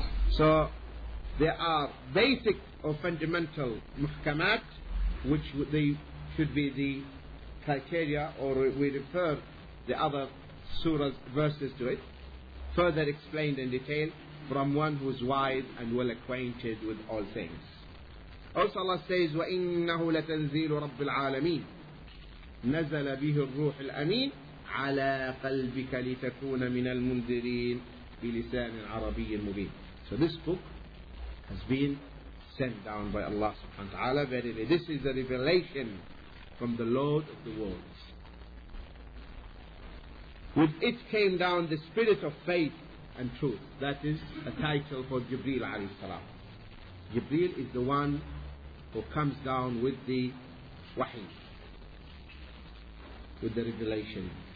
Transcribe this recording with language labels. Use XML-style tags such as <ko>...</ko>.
<en>So there are basic or fundamental muhkamat, which they should be the criteria, or we refer the other surahs verses to it, further explained in detail from one who is wise and well acquainted with all things. Also Allah says,</en> <ar>وَإِنَّهُ لَتَنْزِيلُ رَبِّ الْعَالَمِينَ نَزَلَ بِهِ الرُّوحِ الْأَمِينَ عَلَىٰ قَلْبِكَ لِتَكُونَ مِنَ الْمُنْذِرِينَ بِلِسَانِ الْعَرَبِيِّ الْمُبِينَ.</ar> <en>So this book has been sent down by Allah subhanahu wa ta'ala. Verily, this is a revelation from the Lord of the worlds. With it came down the spirit of faith and truth. That is a title for Jibreel alayhi salam. Jibreel is the one who comes down with the wahi, with the revelation.</en>